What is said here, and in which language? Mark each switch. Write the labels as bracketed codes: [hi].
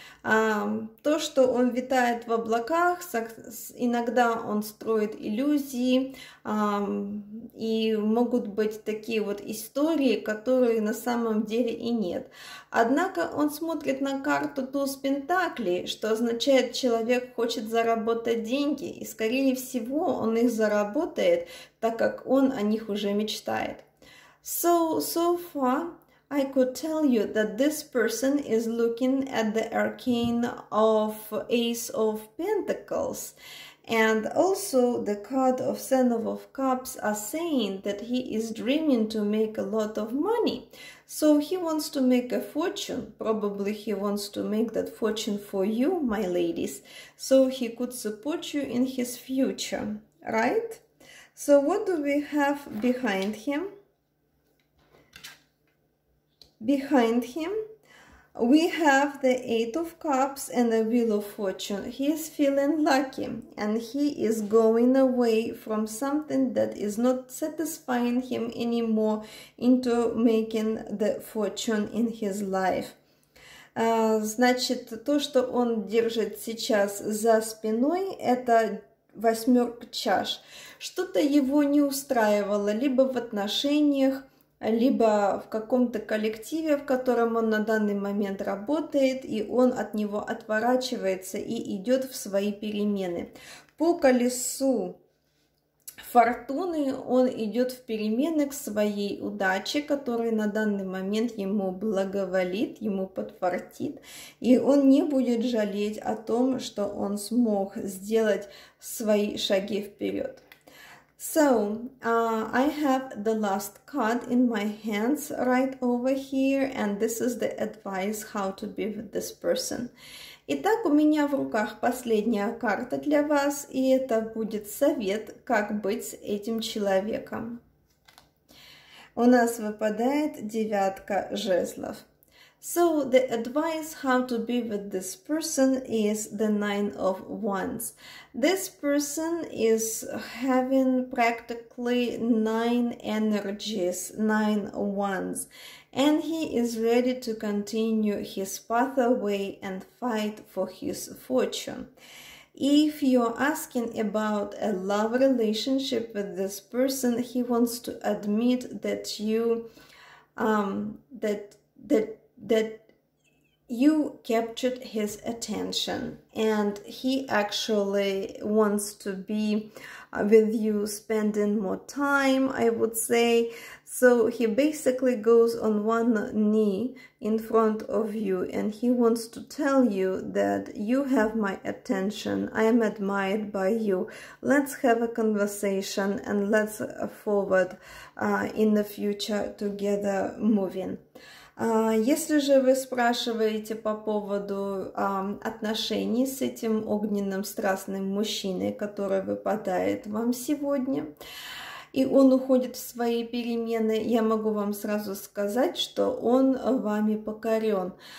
[ru] То, что он витает в облаках, иногда он строит иллюзии, и могут быть такие вот истории, которые на самом деле и нет. Однако он смотрит на карту туз пентаклей, что означает, человек хочет заработать деньги, и скорее всего он их заработает, так как он о них уже мечтает. [en] So far I could tell you that this person is looking at the arcane of Ace of Pentacles. And also the card of Ten of Cups are saying that he is dreaming to make a lot of money. So he wants to make a fortune. Probably he wants to make that fortune for you, my ladies. So he could support you in his future, right? So what do we have behind him? Behind him, we have the Eight of Cups and the Wheel of Fortune. He is feeling lucky and he is going away from something that is not satisfying him anymore into making the fortune in his life. [ru] Значит, то, что он держит сейчас за спиной, это восьмерка чаш. Что-то его не устраивало, либо в отношениях, либо в каком-то коллективе, в котором он на данный момент работает, и он от него отворачивается и идет в свои перемены. По колесу фортуны он идет в перемены к своей удаче, которая на данный момент ему благоволит, ему подфартит, и он не будет жалеть о том, что он смог сделать свои шаги вперед. [en] So, I have the last card in my hands right over here, and this is the advice how to be with this person. [ru] Итак, у меня в руках последняя карта для вас, и это будет совет, как быть с этим человеком. У нас выпадает девятка жезлов. [en] So, the advice how to be with this person is the Nine of Wands. This person is having practically nine energies, nine wands, and he is ready to continue his pathway and fight for his fortune. If you're asking about a love relationship with this person, he wants to admit that you captured his attention, and he actually wants to be with you, spending more time, I would say. So he basically goes on one knee in front of you, and he wants to tell you that you have my attention, I am admired by you, let's have a conversation and let's forward in the future together moving. [ru] Если же вы спрашиваете по поводу отношений с этим огненным страстным мужчиной, который выпадает вам сегодня, и он уходит в свои перемены, я могу вам сразу сказать, что он вами покорен.